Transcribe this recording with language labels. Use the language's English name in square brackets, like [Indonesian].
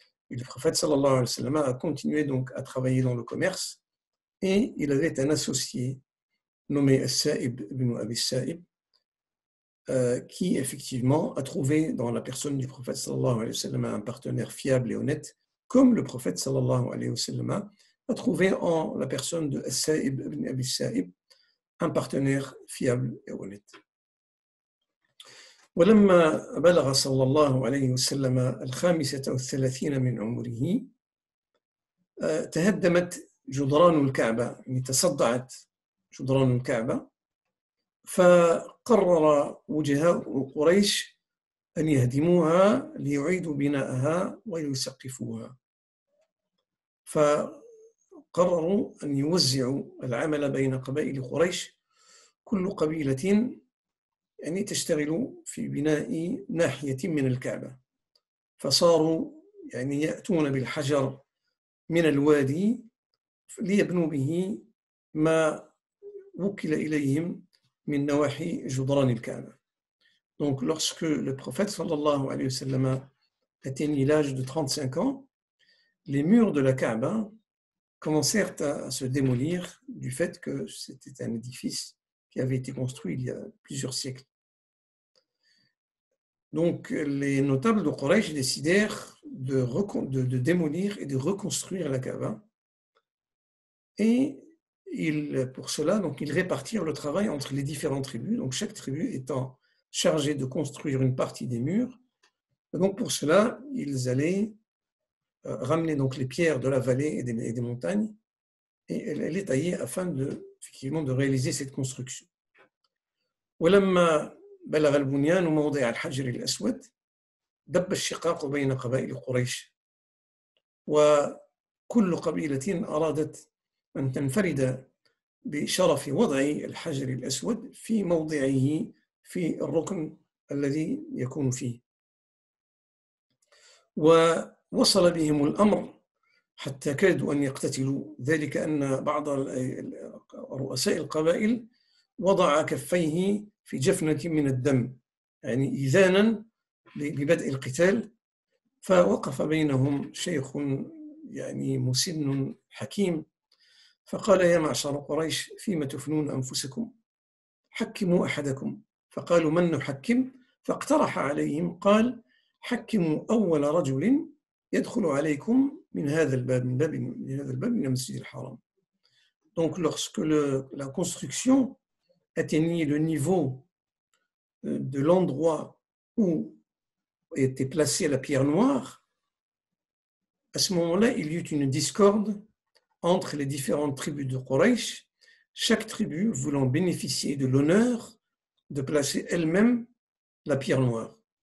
[French] Et le prophète sallallahu alayhi wa sallam a continué donc à travailler dans le commerce, et il avait un associé nommé As-Sa'ib ibn Abi As-Sa'ib, qui effectivement a trouvé dans la personne du prophète sallallahu alayhi wa sallam un partenaire fiable et honnête, comme le prophète sallallahu alayhi wa sallam a trouvé en la personne de As-Sa'ib ibn Abi As-Sa'ib un partenaire fiable et honnête. [Arabic] ولما بلغ صلى الله عليه وسلم 35 من عمره تهدمت جدران الكعبة، تصدعت جدران الكعبة، فقرر وجهاء قريش أن يهدموها ليعيدوا بناءها ويسقفوها. فقرروا أن يوزعوا العمل بين قبائل قريش، كل قبيلة يعني تشتغل في بناء ناحية من الكعبة. فصاروا يعني يأتون بالحجر من الوادي ليبنوا به ما وكل إليهم من نواحي جدران الكعبة. [French] Donc lorsque le prophète sallallahu alayhi wa sallam atteignit l'âge de 35 ans, les murs de la Kaaba commencèrent à se démolir du fait que c'était un édifice qui avait été construit il y a plusieurs siècles. Donc les notables de Quraysh décidèrent de démolir et de reconstruire la Kaaba. Et pour cela, ils répartirent le travail entre les différentes tribus, donc chaque tribu étant chargée de construire une partie des murs. Et donc pour cela, ils allaient ramener donc les pierres de la vallée et des montagnes et les tailler afin de réaliser cette construction. [Arabic] بلغ البنيان موضع الحجر الأسود دب الشقاق بين قبائل قريش وكل قبيلة أرادت أن تنفرد بشرف وضع الحجر الأسود في موضعه في الركن الذي يكون فيه. ووصل بهم الأمر حتى كادوا أن يقتتلوا، ذلك أن بعض رؤساء القبائل وضع كفيه في جفنة من الدم، يعني إذانا ببدء القتال. فوقف بينهم شيخ يعني مسن حكيم، فقال: يا معشر قريش، فيما تفنون أنفسكم؟ حكموا أحدكم. فقالوا: من نحكم؟ فاقترح عليهم، قال: حكموا أول رجل يدخل عليكم من هذا الباب من باب من هذا الباب من المسجد الحرام. [French] Donc lorsque la construction atteignit le niveau de l'endroit où était placée la pierre noire, à ce moment-là, il y eut une discorde entre les différentes tribus de Quraysh, chaque tribu voulant bénéficier de l'honneur de placer elle-même la pierre noire.